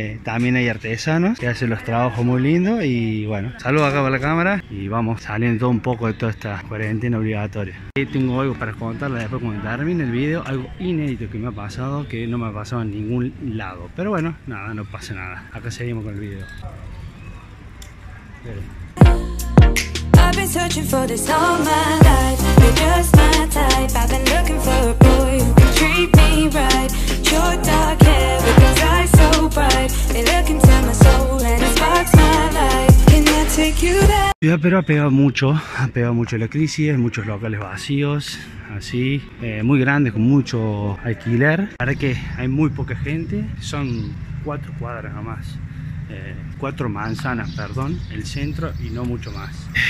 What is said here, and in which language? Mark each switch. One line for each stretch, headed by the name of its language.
Spanish: También hay artesanos que hacen los trabajos muy lindos y bueno, saludo acá para la cámara y vamos saliendo un poco de toda esta cuarentena obligatoria. Y tengo algo para contarles después cuando termine el video, algo inédito que me ha pasado, que no me ha pasado en ningún lado, pero bueno, nada, no pasa nada. Acá seguimos con el video. Dale.
English: I've been searching for this all my life. You're just my type. I've been looking for a boy who can treat me right. Your dark hair with those eyes so bright. They look into my soul and it sparks my life. Can I take you there?
Spanish: Pero ha pegado mucho la crisis, muchos locales vacíos, así, muy grandes, con mucho alquiler. Ahora que hay muy poca gente, son 4 cuadras nomás, cuatro manzanas, perdón, el centro y no mucho más.